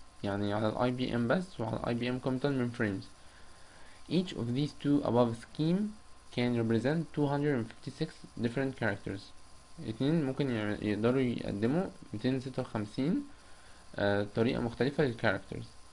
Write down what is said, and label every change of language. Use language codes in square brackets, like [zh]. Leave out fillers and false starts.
[ar] يعني على ال IBM بس وعلى IBM Commodore mainframes. [en] Each of these two above scheme can represent 256 different characters. [ar] اتنين ممكن يقدروا يقدموا 256 طريقة مختلفة للكاركترز.